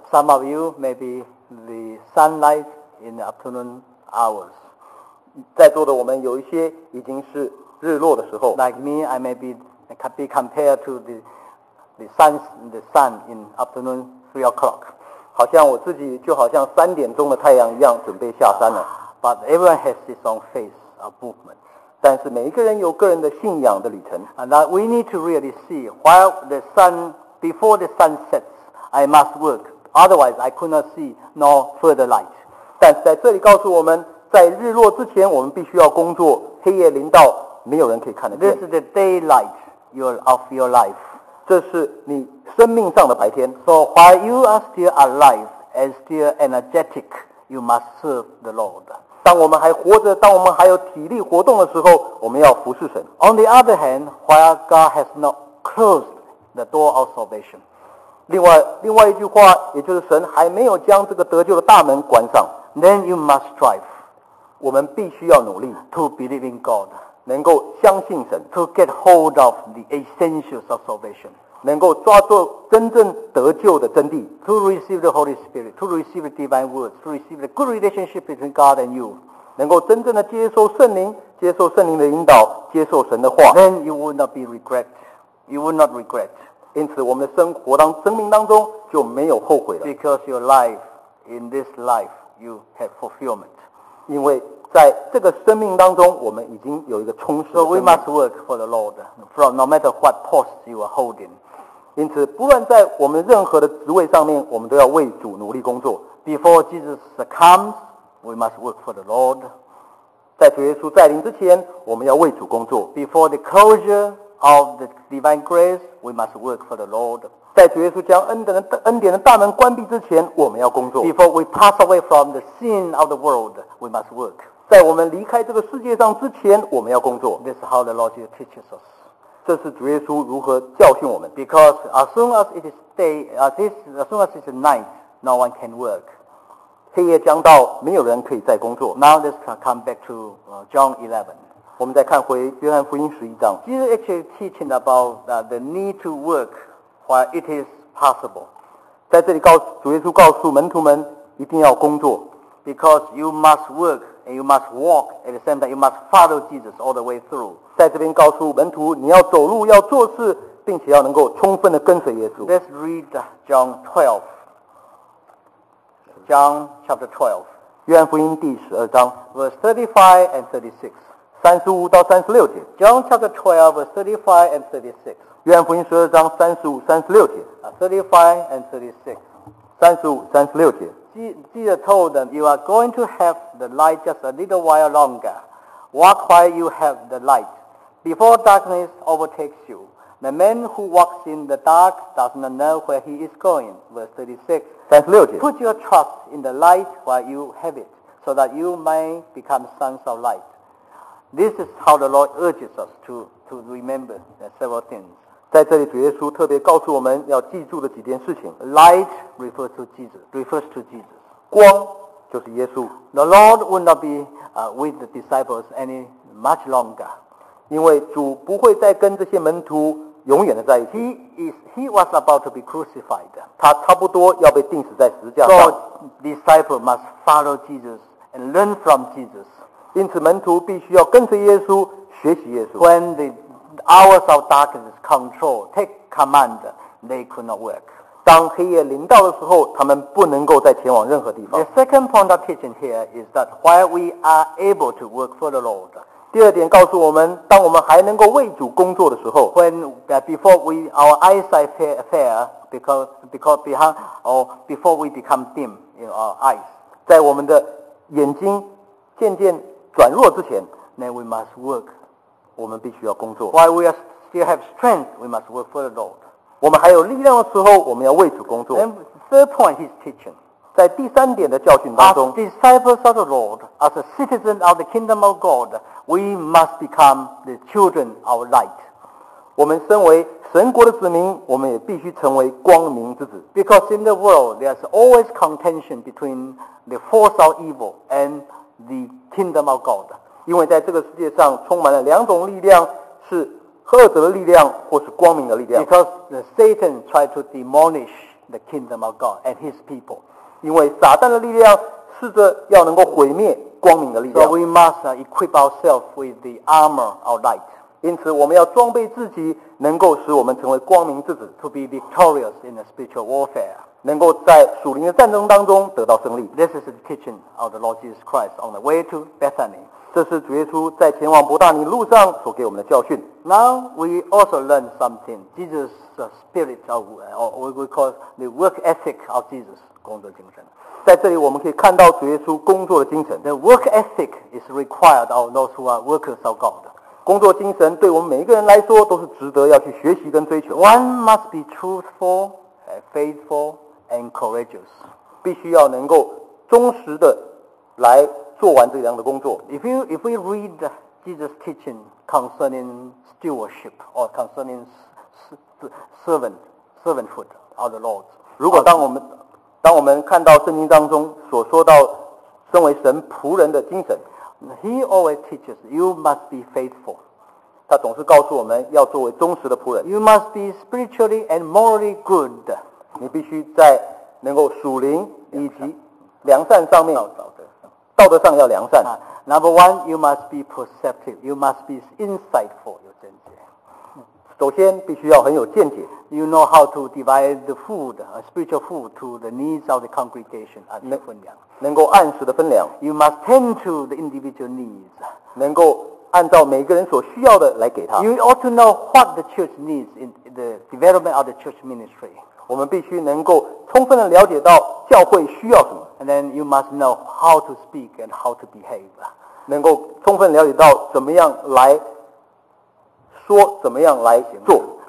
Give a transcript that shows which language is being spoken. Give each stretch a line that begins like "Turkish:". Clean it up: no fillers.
English: Some of you maybe the sunlight in the afternoon hours.
Chinese: 在座的我们有一些已经是日落的时候。
English: Like me, I may be compared to the sun in afternoon 3 o'clock,
Chinese: 好像我自己就好像三点钟的太阳一样，准备下山了。
English: But everyone has his own phase of movement.
Chinese: 但是每一个人有个人的信仰的旅程。
English: And that we need to really see while the sun before the sun sets, I must work. Otherwise, I could not see no further light.
Chinese: 但是在这里告诉我们，在日落之前，我们必须要工作。黑夜临到，没有人可以看得见。
English: This is the daylight of your life.
Chinese: 这是你生命上的白天。
English: So while you are still alive and still energetic, you must serve the Lord.
Chinese: 当我们还活着，当我们还有体力活动的时候，我们要服侍神。
English: On the other hand, while God has not closed the door of salvation,
Chinese: 另外一句话，也就是神还没有将这个得救的大门关上。
English: Then you must strive.
Chinese: 我们必须要努力
English: to believe in God.
Chinese: 能够相信神
English: ，to get hold of the essentials of salvation，
Chinese: 能够抓住真正得救的真谛
English: ，to receive the Holy Spirit，to receive the divine word，to receive the good relationship between God and you，
Chinese: 能够真正的接受圣灵，接受圣灵的引导，接受神的话
English: ，then you will not be regret，you will not regret。
Chinese: 因此，我们的生活当生命当中就没有后悔了
English: ，because your life in this life you have fulfillment，
Chinese: 因为。在这个生命当中，我们已经有一个充实的生命。
English: So we must work for the Lord, from no matter what post you are holding.
Chinese: 因此，不论在我们任何的职位上面，我们都要为主努力工作。
English: Before Jesus comes, we must work for the Lord.
Chinese: 在主耶稣再临之前，我们要为主工作。
English: Before the closure of the divine grace, we must work for the Lord.
Chinese: 在主耶稣将恩典的大门关闭之前，我们要工作。
English: Before we pass away from the sin of the world, we must work.
Chinese: 在我们离开这个世界上之前，我们要工作。
English: This is how the Lord Jesus teaches us.
Chinese: 这是主耶稣如何教训我们。
English: Because as soon as it is night, no one can work.
Chinese: 黑夜将到，没有人可以再工作。
English: Now let's come back to John 11.
Chinese: 我们再看回约翰福音十一章。
English: Jesus actually teaching about the need to work while it is possible.
Chinese: 在这里主耶稣告诉门徒们一定要工作。
English: Because you must work. And you must walk at the same time. You must follow Jesus all the way through.
Chinese: 在这边告诉门徒，你要走路，要做事，并且要能够充分的跟随耶稣。
English: Let's read John 12. John chapter 12.
Chinese: 约翰福音第十二章
English: ，verse 35 and 36.
Chinese: 三十五到三十六节。
English: John chapter 12, verse 35 and 36.
Chinese: 约翰福音十二章三十五、三十六节。
English: 35 and 36.
Chinese: 三十五、三十六节。
English: Jesus told them, you are going to have the light just a little while longer. Walk while you have the light. Before darkness overtakes you, the man who walks in the dark does not know where he is going. Verse 36.
Chinese: 36节
English: Put your trust in the light while you have it, so that you may become sons of light. This is how the Lord urges us to remember several things.
Chinese: 在这里，主耶稣特别告诉我们要记住的几件事情。
English: Light refers to Jesus. Refers to Jesus.
Chinese: 光就是耶稣。
English: The Lord would not be with the disciples any much longer.
Chinese: 因为主不会再跟这些门徒永远的在一起。
English: He was about to be crucified.
Chinese: 他差不多要被钉死在十字架上。
English: So disciples must follow Jesus and learn from Jesus.
Chinese: 因此，门徒必须要跟随耶稣，学习耶稣。
English: When the hours of darkness control take command, they could not work.
Chinese: 当黑夜临到的时候，他们不能够再前往任何地方。
English: The second point of teaching here is that while we are able to work for the Lord.
Chinese: 第二点告诉我们，当我们还能够为主工作的时候
English: ，when before we our eyesight fail because behind or before we become dim in our eyes,
Chinese: 在我们的眼睛渐渐转弱之前
English: ，then we must work.
Chinese: 我们必须要工作。
English: While we still have strength, we must work for the Lord.
Chinese: 我们还有力量的时候，我们要为主工作。
English: And third point, his teaching.
Chinese: 在第三点的教训当中
English: ，As disciples of the Lord, as a citizen of the kingdom of God, we must become the children of light.
Chinese: 我们身为神国的子民，我们也必须成为光明之子。
English: Because in the world, there's always contention between the force of evil and the kingdom of God.
Chinese: 因为在这个世界上充满了两种力量，是恶者的力量或是光明的力量。
English: Because Satan tried to demolish the kingdom of God and his people.
Chinese: 因为撒旦的力量试着要能够毁灭光明的力量。
English: So we must equip ourselves with the armor of light.
Chinese: 因此我们要装备自己，能够使我们成为光明之子。
English: To be victorious in the spiritual warfare.
Chinese: 能够在属灵的战争当中得到胜利。
English: This is the teaching of the Lord Jesus Christ on the way to Bethany.
Chinese: 这是主耶稣在前往伯大尼路上所给我们的教训。
English: Now we also learn something. Jesus' spirit of, or we call the work ethic of Jesus,
Chinese: 工作精神。在这里我们可以看到主耶稣工作的精神。
English: The work ethic is required of those who are workers of God.
Chinese: 工作精神对我们每一个人来说都是值得要去学习跟追求。
English: One must be truthful, faithful, and courageous.
Chinese: 必须要能够忠实的来做完这样的工作。
English: If we read Jesus' teaching concerning stewardship or concerning servanthood of the Lord,
Chinese: 如果当我们看到圣经当中所说到身为神仆人的精神
English: ，He always teaches you must be faithful.
Chinese: 他总是告诉我们要作为忠实的仆人。
English: You must be spiritually and morally good.
Chinese: 你必须在能够属灵以及良善上面。道德上要良善。
English: Number one, you must be perceptive. You must be insightful.
Chinese: 有见解。首先，必须要很有见解。
English: You know how to divide the food, a spiritual food, to the needs of the congregation.
Chinese: 能够按时的分粮。
English: You must tend to the individual needs.
Chinese: 能够按照每个人所需要的来给他。
English: You ought to know what the church needs in the development of the church ministry.
Chinese: 我们必须能够充分的了解到教会需要什么。
English: And then you must know how to speak and how to behave.
Chinese: 能够充分了解到怎么样来说，怎么样来做。